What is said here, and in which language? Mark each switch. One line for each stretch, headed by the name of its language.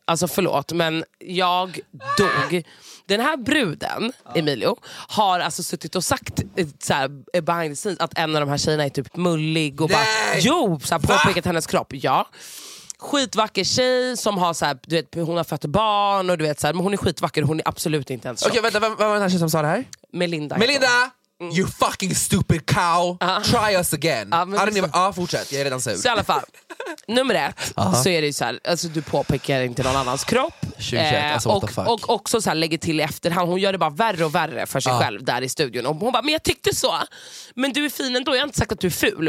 Swedish: Alltså förlåt, men jag dog. Den här bruden, Emilio, har alltså suttit och sagt så här,
English: behind the scenes,
Swedish: att en av de här tjejerna är typ mullig och bara, jo, så här, påpekat hennes kropp. Ja. Skitvacker tjej som har så här, du vet, hon har fött barn och du vet så här, men hon är skitvacker, hon är absolut inte ens tjock. Okej, vänta, vem var den här tjej som sa det här? Melinda.
English: Melinda, you fucking stupid cow. Try us again.
Swedish: Fortsätt, jag är redan sur. Så i alla fall, nummer 1 så är det ju så här, alltså du påpekar inte någon annans kropp. 21, alltså,
English: what the fuck?
Swedish: Och också så här lägger till efterhand, hon gör det bara värre och värre för sig själv där i studion. Och hon bara, men jag tyckte så. Men du är fin ändå, jag har inte sagt att du är ful.